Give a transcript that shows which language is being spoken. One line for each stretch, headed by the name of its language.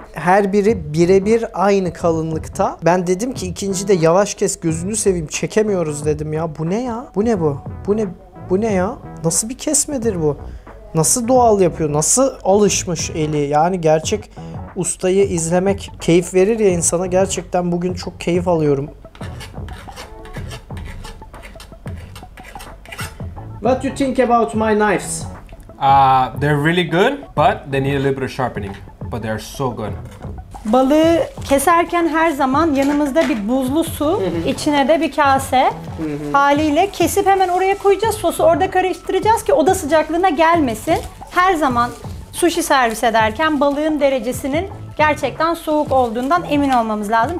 Turkish: Her biri birebir aynı kalınlıkta. Ben dedim ki ikinci de yavaş kes gözünü seveyim çekemiyoruz dedim ya. Bu ne ya? Bu ne bu? Bu ne ya? Nasıl bir kesmedir bu? Nasıl doğal yapıyor, nasıl alışmış eli, yani gerçek ustayı izlemek keyif verir ya insana, gerçekten bugün çok keyif alıyorum.
English: What you think about my knives? They're really good, but they need a little bit of sharpening, but they're so good.
Turkish: Balığı keserken her zaman yanımızda bir buzlu su, içine de bir kase haliyle kesip hemen oraya koyacağız. Sosu orada karıştıracağız ki oda sıcaklığına gelmesin. Her zaman sushi servis ederken balığın derecesinin gerçekten soğuk olduğundan emin olmamız lazım.